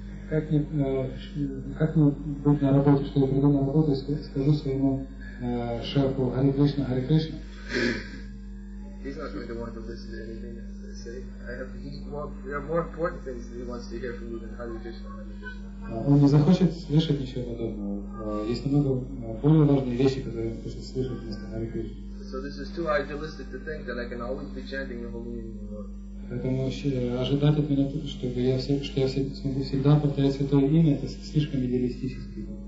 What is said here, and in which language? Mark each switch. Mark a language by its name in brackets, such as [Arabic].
[Russian] Как мне быть на работе, что я приду на работу и скажу своему шефу Hare Krishna, Hare Krishna? [English] He's not going to want to listen to anything I say. There are more important things that he wants to hear from you than Hare Krishna, Hare Krishna. [Russian] Он не захочет слышать ничего подобного. Есть намного более важные вещи, которые он хочет слышать вместо Харе Кришны. [English] So this is too idealistic to think that I can always be chanting the holy name of the Lord. [Russian] Поэтому ожидать от меня, чтобы я все, что я все, смогу всегда повторять Святое Имя, это слишком идеалистически.